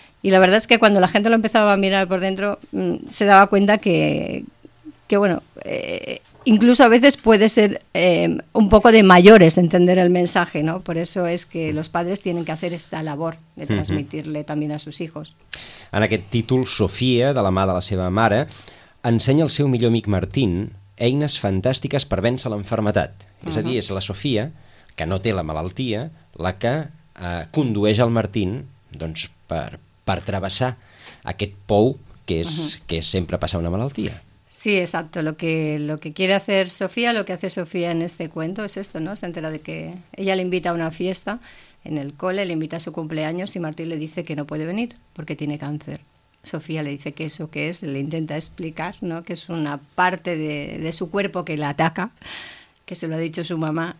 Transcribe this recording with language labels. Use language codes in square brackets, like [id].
[es] Y la verdad es que cuando la gente lo empezaba a mirar por dentro, se daba cuenta que bueno, incluso a veces puede ser un poco de mayores entender el mensaje, ¿no? Por eso es que los padres tienen que hacer esta labor de transmitirle uh-huh. también a sus hijos. [ca] En aquest títol, Sofia, de la mà de la seva mare, ensenya al seu millor amic Martín eines fantàstiques per vèncer l'enfermetat. Uh-huh. És a dir, és la Sofia, que no té la malaltia, la que condueix el Martín doncs, per travessar aquest pou que és, uh-huh. que és sempre passar una malaltia. [es] Sí, exacto. Lo que quiere hacer Sofía, lo que hace Sofía en este cuento es esto, ¿no? Se entera de que ella le invita a una fiesta en el cole, le invita a su cumpleaños y Martín le dice que no puede venir porque tiene cáncer. Sofía le dice que eso que es, le intenta explicar, ¿no? Que es una parte de su cuerpo que la ataca, que se lo ha dicho su mamá.